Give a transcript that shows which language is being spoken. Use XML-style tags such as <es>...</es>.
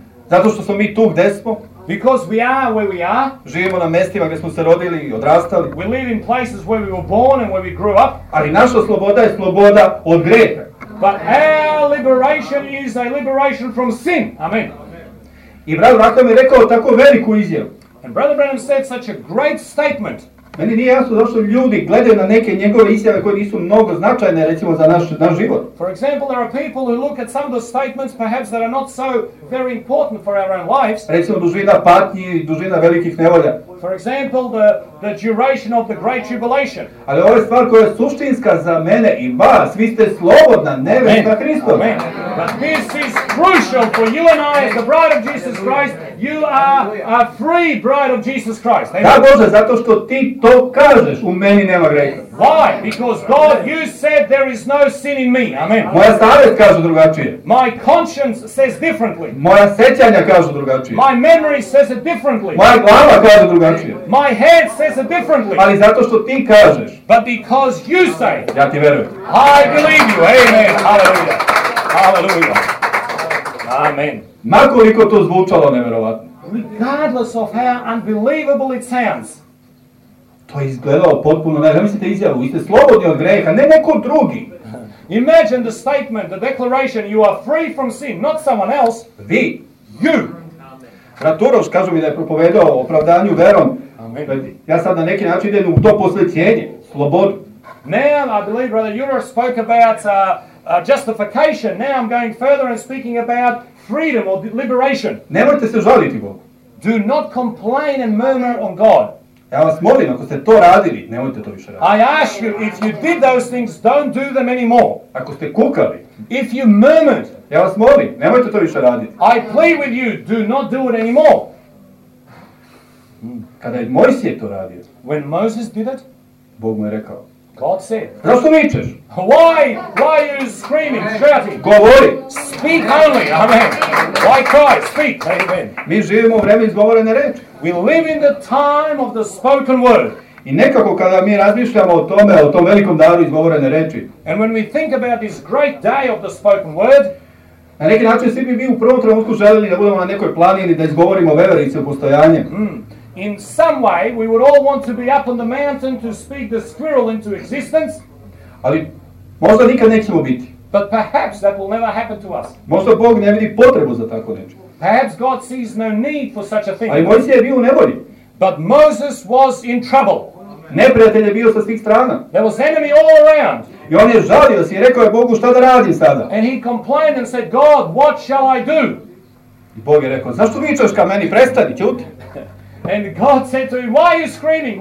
<sr>Zato što smo mi tu gdje smo.</sr> <en>Because we are where we are.</en> <sr>Živimo na mjestima gdje smo se rodili i odrastali.</sr> <en>We live in places where we were born and where we grew up.</en> <sr>Ali naša sloboda je sloboda od grijeha.</sr> <en>But our liberation is a liberation from sin. Amen.</en> <sr>I brat Rahim je rekao tako veliku izjavu.</sr> <en>And Brother Branham said such a great statement.</en> <sr>Meni nije jasno zašto ljudi gledaju na neke njegove izjave koje nisu mnogo značajne, recimo za naš život.</sr> <en>For example, there are people who look at some of the statements perhaps that are not so very important for our own lives.</en> <sr>Recimo dužina patnji i dužina velikih nevolja.</sr> <en>For example, the duration of the great tribulation.</en> <sr>Ali ova stvar koja je suštinska za mene i vas, vi ste slobodna nevesta Hristova. Amen.</sr> <en>But this is crucial for you and I as the bride of Jesus Christ. You are a free bride of Jesus Christ.</en> <sr>Da Bože, zato što ti to kažeš, u meni nema greha.</sr> <en>Why? Because God, you said there is no sin in me. Amen.</en> <sr>Moja savjest kaže drugačije.</sr> <en>My conscience says differently.</en> <sr>Moja sećanja kažu drugačije.</sr> <en>My memory says it differently.</en> <sr>Moja glava kaže drugačije.</sr> <en>My head says it differently.</en> <sr>Ali zato što ti kažeš.</sr> <en>But because you say.</en> <sr>Ja ti verujem.</sr> <en>I believe you. Amen. Hallelujah. Hallelujah. Amen.</en> <sr>Ma koliko to zvučalo nevjerovatno.</sr> <en>Regardless of how unbelievable it sounds.</en> <sr>To je izgledalo potpuno ne. Zamislite izjavu, vi ste slobodni od greha, ne neko drugi.</sr> <en>Imagine the statement, the declaration, you are free from sin, not someone else.</en> <sr>Vi.</sr> <en>You.</en> <sr>Brat Uroš kažu mi da je propovedao o opravdanju verom. Amen. Ja sad na neki način idem u to posvećenje, slobodu.</sr> <en>Now I believe brother Uroš spoke about justification. Now I'm going further and speaking about freedom or liberation.</en> <sr>Nemojte se žaliti Bogu.</sr> <en>Do not complain and murmur on God.</en> <sr>Ja vas molim, ako ste to radili, nemojte to više raditi.</sr> <en>I ask you, if you did those things, don't do them anymore.</en> <sr>Ako ste kukali.</sr> <en>If you murmured.</en> <sr>Ja vas molim, nemojte to više raditi.</sr> <en>I plead with you, do not do it anymore.</en> <sr>Kada je Mojsije to radio.</sr> <en>When Moses did it.</en> <sr>Bog mu je rekao.</sr> <en>God said.</en> <sr>Zašto mičeš?</sr> <en>Why are you screaming, shouting?</en> <sr>Govori.</sr> <en>Speak only, amen. Why cry? Speak, amen.</en> <sr>Mi živimo u vremenu izgovorene reči.</sr> <en>We live in the time of the spoken word.</en> <sr>I nekako kada mi razmišljamo o tom velikom daru izgovorene reči.</sr> <en>And when we think about this great day of the spoken word.</en> <sr>Na neki način svi bi mi u prvom trenutku želeli da budemo na nekoj planini da izgovorimo veverice u postojanje.</sr> <en>In some way we would all want to be up on the mountain to speak the squirrel into existence.</en> <sr>Ali možda nikad nećemo biti.</sr> <en>But perhaps that will never happen to us.</en> <sr>Možda Bog ne vidi potrebu za tako nešto.</sr> <en>Perhaps God sees no need for such a thing.</en> <sr>Ali Mojsije je bio u nevolji.</sr> <en>But Moses was in trouble.</en> <sr>Neprijatelj je bio sa svih strana.</sr> <en>There was enemy all around.</en> <sr>I on je žalio se i rekao je Bogu šta da radim sada.</sr> <en>And he complained and said, God, what shall I do?</en> <sr>I Bog je rekao, zašto vičeš ka meni, prestani, ćuti.</sr> <en>And God said to him, why are you screaming?</en>